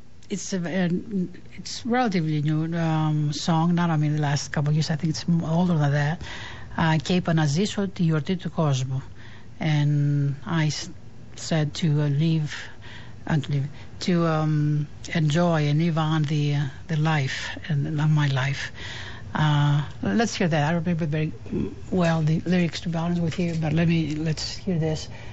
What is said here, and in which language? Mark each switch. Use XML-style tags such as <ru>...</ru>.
<en>It's relatively new song, not I mean the last couple of years. I think it's older than that.</en> <el>Και είπα να ζήσω τη γιορτή του κόσμου.</el> <en>And I said to live, to enjoy and live on the life and on my life. Let's hear that. I remember very well the lyrics to balance with you, but let's hear this.</en>